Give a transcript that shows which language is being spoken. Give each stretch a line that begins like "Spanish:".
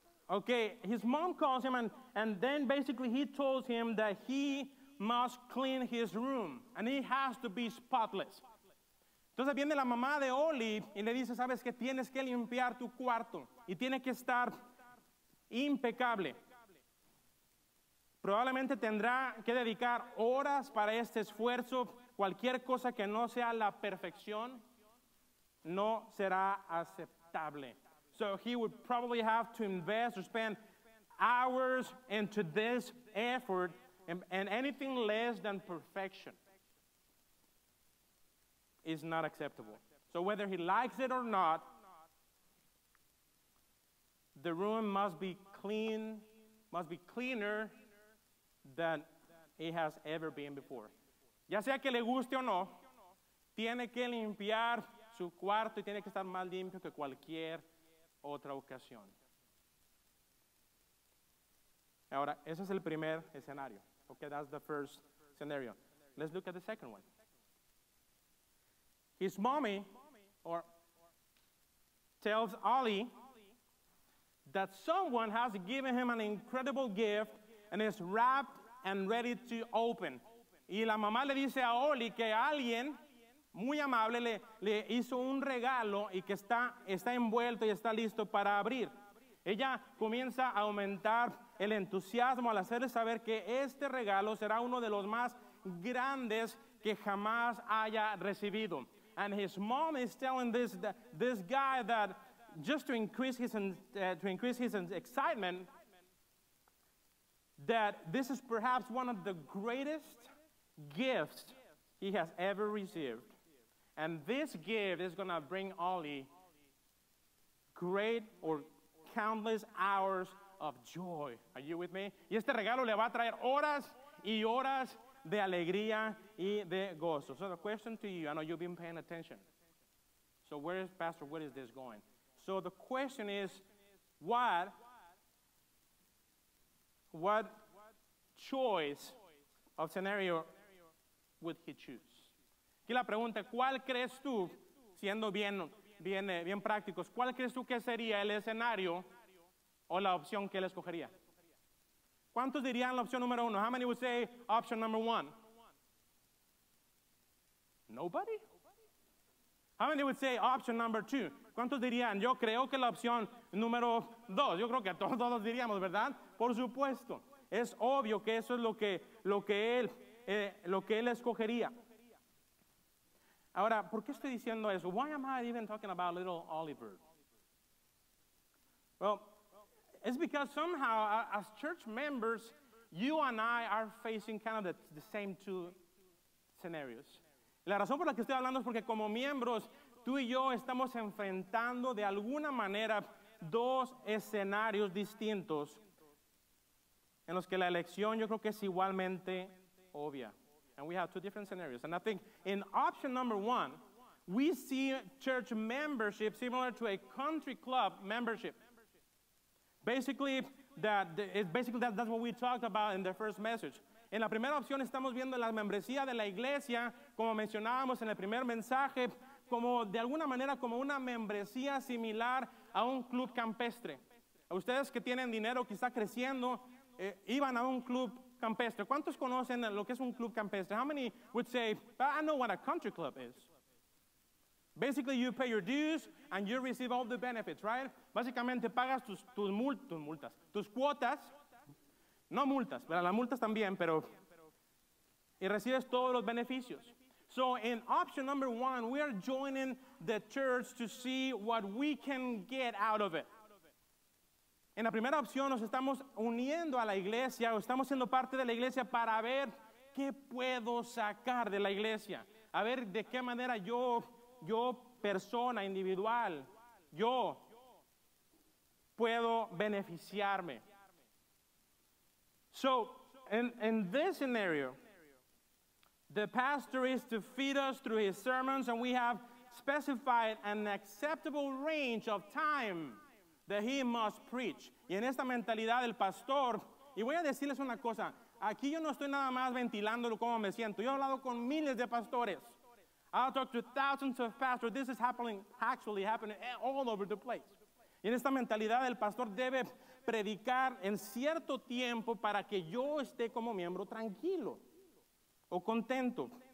English: Okay, his mom calls him and then basically he tells him that he must clean his room and he has to be spotless.
Spanish: Entonces viene la mamá de Ollie y le dice, sabes que tienes que limpiar tu cuarto y tiene que estar impecable. Probablemente tendrá que dedicar horas para este esfuerzo. Cualquier cosa que no sea la perfección no será aceptable.
English: So he would probably have to invest or spend hours into this effort and anything less than perfection is not acceptable. So whether he likes it or not, the room must be clean, must be cleaner than it has ever been before.
Spanish: Ya sea que le guste o no, tiene que limpiar su cuarto y tiene que estar más limpio que cualquier otra ocasión. Ahora, ese es el primer escenario.
English: Okay, that's the first scenario. Let's look at the second one. His mommy tells Ollie that someone has given him an incredible gift and is wrapped and ready to open.
Spanish: Y la mamá le dice a Ollie que alguien muy amable le hizo un regalo y que está envuelto y está listo para abrir. Ella comienza a aumentar el entusiasmo al hacerle saber que este regalo será uno de los más grandes que jamás haya recibido.
English: And his mom is telling this guy that just to increase his excitement, that this is perhaps one of the greatest gifts he has ever received. And this gift is going to bring Ollie great or countless hours of joy. Are you with me?
Spanish: Y este regalo le va a traer horas y horas de alegría y de gozo.
English: So the question to you, I know you've been paying attention. So where is, Pastor, where is this going? So the question is, what choice of scenario would he choose?
Spanish: Aquí la pregunta, ¿cuál crees tú, siendo bien prácticos, cuál crees tú que sería el escenario o la opción que él escogería? ¿Cuántos dirían la opción número uno?
English: How many would say option number one? Nobody? How many would say option number two?
Spanish: ¿Cuántos dirían? Yo creo que la opción número dos. Yo creo que todos diríamos, ¿verdad? Por supuesto. Es obvio que eso es lo que él escogería. Ahora, ¿por qué estoy diciendo eso?
English: Why am I even talking about little Oliver? Well, it's because somehow, as church members, you and I are facing kind of the same two scenarios.
Spanish: La razón por la que estoy hablando es porque como miembros, tú y yo estamos enfrentando de alguna manera dos escenarios distintos en los que la elección yo creo que es igualmente obvia.
English: And we have two different scenarios. And I think in option number one, we see church membership similar to a country club membership. Basically, that's what we talked about in the first message.
Spanish: En la primera opción estamos viendo la membresía de la iglesia, como mencionábamos en el primer mensaje, como de alguna manera como una membresía similar a un club campestre. A ustedes que tienen dinero, quizá creciendo, iban a un club campestre. ¿Cuántos conocen lo que es un club campestre?
English: How many would say, I know what a country club is? Basically, you pay your dues and you receive all the benefits, right?
Spanish: Básicamente, pagas tus cuotas, no multas, pero las multas también, pero y recibes todos los beneficios.
English: So, in option number one, we are joining the church to see what we can get out of it.
Spanish: En la primera opción, nos estamos uniendo a la iglesia o estamos siendo parte de la iglesia para ver qué puedo sacar de la iglesia. A ver de qué manera yo persona individual, yo puedo beneficiarme.
English: So, in this scenario, the pastor is to feed us through his sermons, and we have specified an acceptable range of time that he must preach.
Spanish: Y en esta mentalidad el pastor, y voy a decirles una cosa, aquí yo no estoy nada más ventilándolo como me siento. Yo he hablado con miles de pastores.
English: I've talked to thousands of pastors. This is actually happening all over the place.
Spanish: Y en esta mentalidad el pastor debe predicar en cierto tiempo para que yo esté como miembro tranquilo o contento.